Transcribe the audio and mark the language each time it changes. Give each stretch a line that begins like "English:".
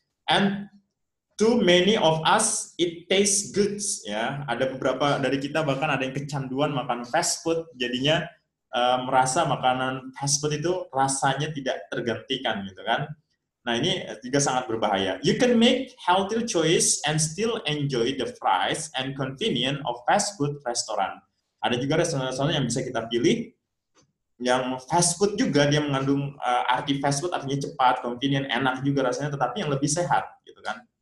English: And too many of us, it tastes good.
Indonesian: Ya. Ada beberapa dari kita bahkan ada yang kecanduan makan fast food, jadinya merasa makanan fast food itu rasanya tidak tergantikan gitu kan. Nah, ini juga sangat berbahaya.
English: You can make healthy choice and still enjoy the fries and convenience of fast food restaurant.
Indonesian: Ada juga restoran-restoran yang bisa kita pilih. Yang fast food juga, dia mengandung arti fast food, artinya cepat, convenient, enak juga rasanya, tetapi yang lebih sehat, gitu kan.